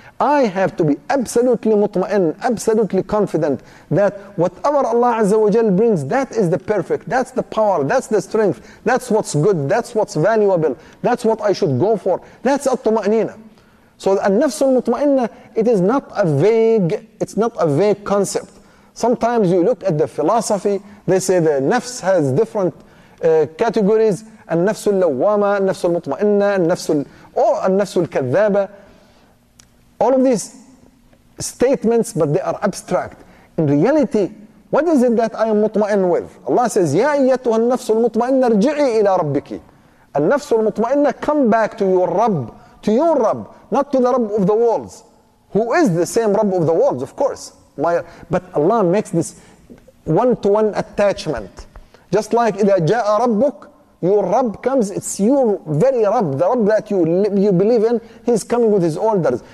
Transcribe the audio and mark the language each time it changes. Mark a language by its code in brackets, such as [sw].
[en] I have to be absolutely mutma'in, absolutely confident that whatever Allah Azza wa Jal brings, that is the perfect, that's the power, that's the strength, that's what's good, that's what's valuable, that's what I should go for. That's al-tuma'nina. So al-nafs al-mutma'inna, it is not a vague, it's not a vague concept. Sometimes you look at the philosophy, they say the nafs has different categories. [ar] النفس اللوامة, النفس المطمئنة, النفس النفس الكذابة. [en] All of these statements, but they are abstract. In reality, what is it that I am مطمئن with? Allah says, [ar] يا أيتها النفس المطمئنة ارجعي إلى ربك. النفس المطمئنة, [en] come back to your Rabb, to your Rabb, not to the Rabb of the worlds, who is the same Rabb of the worlds, of course. But Allah makes this one-to-one attachment. Just like [ar] إذا جاء ربك, [en] your Rabb comes, it's your very Rabb, the Rabb that you believe in, He's coming with His orders.